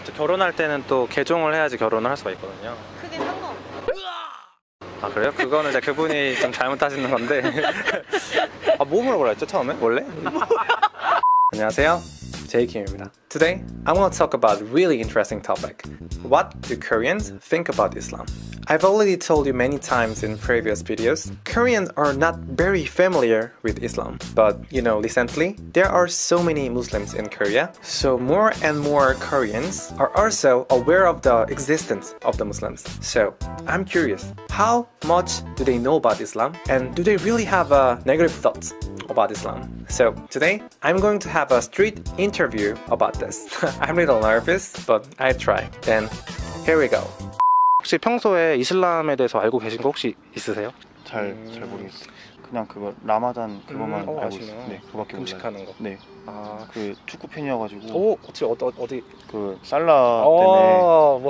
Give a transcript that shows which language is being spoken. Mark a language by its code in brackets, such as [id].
[ko] 결혼할 때는 또 개종을 해야지 결혼을 할 수가 있거든요. 크게 상관없어. 아 그래요? 그거는 이제 그분이 좀 잘못하시는 건데. 아 뭐 물어보라 했죠 처음에? 원래? 안녕하세요. 제이킴입니다. [en] Today, I want to talk about a really interesting topic. What do Koreans think about Islam? I've already told you many times in previous videos, Koreans are not very familiar with Islam. But, you know, recently, there are so many Muslims in Korea, so more and more Koreans are also aware of the existence of the Muslims. So, I'm curious, how much do they know about Islam? And do they really have a negative thought about Islam? So, today, I'm going to have a straight interview about this. I'm a little nervous, but I'll try. Then, here we go. [ko] 혹시 평소에 이슬람에 대해서 알고 계신 거 혹시 있으세요? 잘 모르겠어요. 그냥 그거 라마단 그거만 알고 있어요. 네, 그거밖에 몰라요. 음식하는 거. 네. 아, 그 축구 팬이어가지고. 오, 어찌 어디 그 살라 때문에.